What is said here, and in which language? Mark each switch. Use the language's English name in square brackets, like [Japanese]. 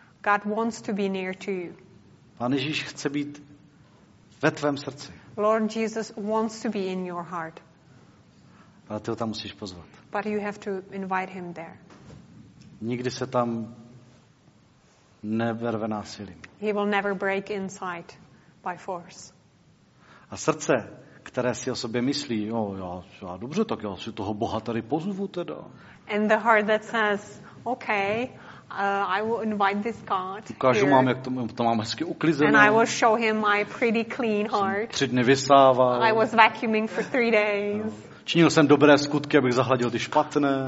[English] God wants to be near to you. [Czech] Pán Ježíš chce být ve tvém srdci. [English] Lord Jesus wants to be in your heart. [Czech] Ale ty ho tam musíš pozvat. [English] But you have to invite him there. [Czech] Nikdy se tam neverve násilím. [English] He will never break inside by force. [Czech] A srdce, které si o sobě myslí, jo, já dobře, tak já si toho Boha tady pozvu teda. [English] And the heart that says, okay, I will invite this God. [Czech] Ukážu mám, jak to mám hezky uklizené. [English] And I will show him my pretty clean heart. [Czech] Tři dny vysával. [English] I was vacuuming for 3 days. [Czech] Činil jsem dobré skutky, abych zahladil ty špatné.